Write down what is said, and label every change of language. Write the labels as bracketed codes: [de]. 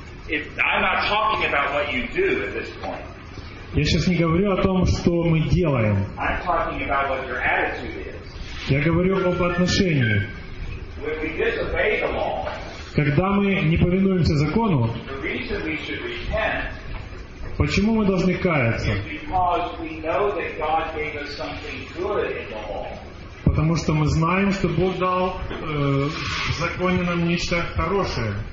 [en] I'm not talking about what you do at this point. [ru] Я сейчас не говорю о том, что мы делаем. [en] I'm talking about what your attitude is. [ru] Я говорю об отношении. [en] When we disobey the law, [ru] когда мы не повинуемся закону, [en] the reason we should repent, [ru] почему мы должны каяться? [en] Because we know that God gave us something good in the law. [ru] Потому что мы знаем, что Бог дал в законе нам нечто хорошее.